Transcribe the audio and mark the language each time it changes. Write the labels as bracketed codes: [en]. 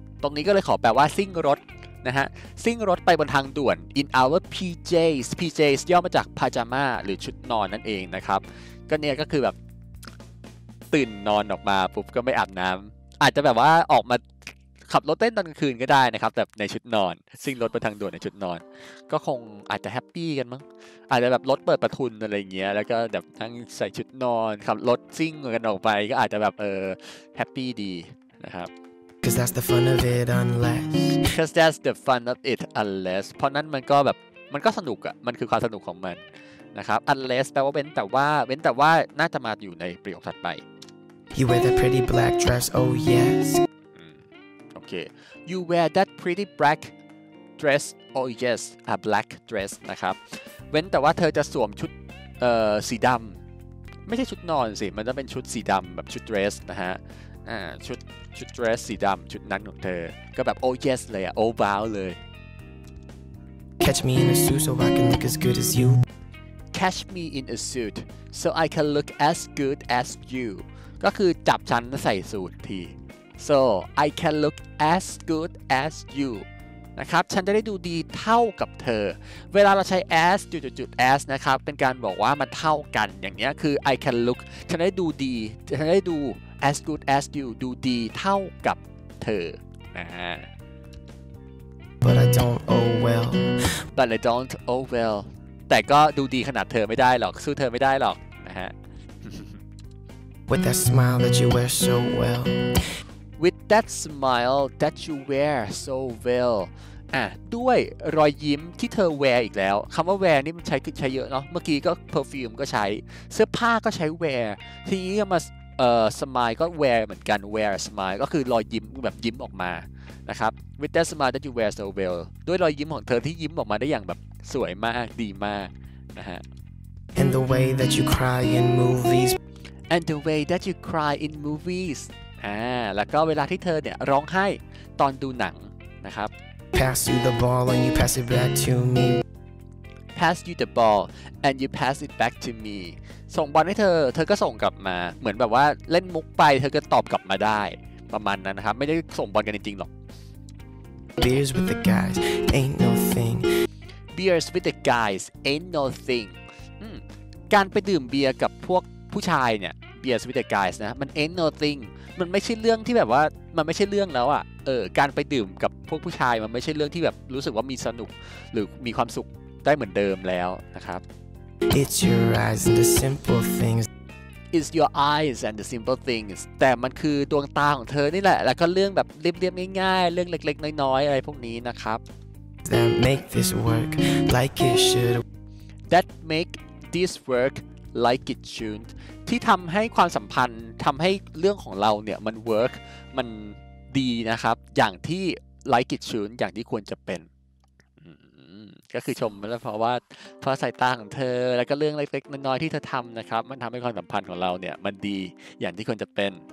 [th] ตรงนี้ก็เลยขอแปลว่าซิ่งรถนะฮะซิ่งรถไปบนทางด่วน [en] in our PJs [th] PJs ย่อมาจากพาจามาหรือชุดนอนนั่นเองนะครับก็เนี่ยก็คือแบบตื่นนอนออกมาปุ๊บก็ไม่อาบน้ำอาจจะแบบว่าออกมาขับรถเต้นตอนกลางคืนก็ได้นะครับแบบในชุดนอนซิ่งรถไปทางด่วนในชุดนอนก็คงอาจจะแฮปปี้กันมั้งอาจจะแบบรถเปิดประทุนอะไรเงี้ยแล้วก็แบบทั้งใส่ชุดนอนขับรถซิ่งกันออกไปก็อาจจะแบบแฮปปี้ดีนะครับ [en] Cause that's the fun of it unless Cause that's the fun of it unless [th] เพราะนั้นมันก็แบบมันก็สนุกอะมันคือความสนุกของมันนะครับ unless แปลว่าเว้นแต่ว่าเว้นแต่ว่าน่าจะมาอยู่ในประโยคถัดไป [en] You wear that pretty black dress oh yes You wear that pretty black dress. Oh yes, a black dress. [th] นะครับเว้นแต่ว่าเธอจะสวมชุดสีดำไม่ใช่ชุดนอนสิมันจะเป็นชุดสีดำแบบชุด dress นะฮะชุด dress สีดำชุดนั้นของเธอก็แบบ [en] oh yes [th] เลยอะ oh wow เลย [en] Catch me in a suit so I can look as good as you. Catch me in a suit so I can look as good as you. [th] ก็คือจับฉันใส่สูทที [en] So I can look as good as you [th] นะครับฉันจะได้ดูดีเท่ากับเธอเวลาเราใช้ as จุด as นะครับเป็นการบอกว่ามันเท่ากันอย่างเนี้ยคือ [en] I can look [th] ฉันได้ดูดีฉันได้ดู [en] as good as you [th] ดูดีเท่ากับเธอนะ [en] But I don't oh well But I don't oh well [th] แต่ก็ดูดีขนาดเธอไม่ได้หรอกสู้เธอไม่ได้หรอกนะฮะ [en] With that smile that you wear so well With that smile that you wear so well [th] ด้วยรอยยิ้มที่เธอแวร์อีกแล้วคำว่าแวร์นี่มันใช้เยอะเนาะเมื่อกี้ก็ perfume ก็ใช้เสื้อผ้าก็ใช้แวร์ทีนี้ก็มาsmile ก็แวร์เหมือนกัน [en] wear smile [th] ก็คือรอยยิ้มแบบยิ้มออกมานะครับ With that smile that you wear so well ด้วยรอยยิ้มของเธอที่ยิ้มออกมาได้อย่างแบบสวยมากดีมากนะฮะ [en] And the way that you cry in movies And the way that you cry in movies [th] แล้วก็เวลาที่เธอเนี่ยร้องไห้ตอนดูหนังนะครับ [en] Pass you the ball and you pass it back to me Pass you the ball and you pass it back to me [th] ส่งบอลให้เธอก็ส่งกลับมาเหมือนแบบว่าเล่นมุกไปเธอก็ตอบกลับมาได้ประมาณนั้นนะครับไม่ได้ส่งบอลกันจริงๆหรอก [en] Beers with the guys ain't no thing Beers with the guys ain't no thing [th] การไปดื่มเบียร์กับพวกผู้ชายเนี่ย [en] Beers with the guys [th] นะมัน [en] ain't no thing [th] มันไม่ใช่เรื่องที่แบบว่ามันไม่ใช่เรื่องแล้วอ่ะการไปดื่มกับพวกผู้ชายมันไม่ใช่เรื่องที่แบบรู้สึกว่ามีสนุกหรือมีความสุขได้เหมือนเดิมแล้วนะครับ [en] It's your eyes and the simple things It's your eyes and the simple things [th] แต่มันคือดวงตาของเธอนี่แหละแล้วก็เรื่องแบบเรียบๆง่ายๆเรื่องเล็กๆน้อยๆอะไรพวกนี้นะครับ [en] That make this work like it should That make this work like it should [th] ที่ทำให้ความสัมพันธ์ทำให้เรื่องของเราเนี่ยมันเวิร์กมันดีนะครับอย่างที่ไลค์กิจชูนอย่างที่ควรจะเป็นก็คือชมแล้วเพราะสายตาของเธอแล้วก็เรื่องเล็กๆน้อยๆที่เธอทำนะครับมันทำให้ความสัมพันธ์ของเราเนี่ยมันดีอย่างที่ควรจะเป็น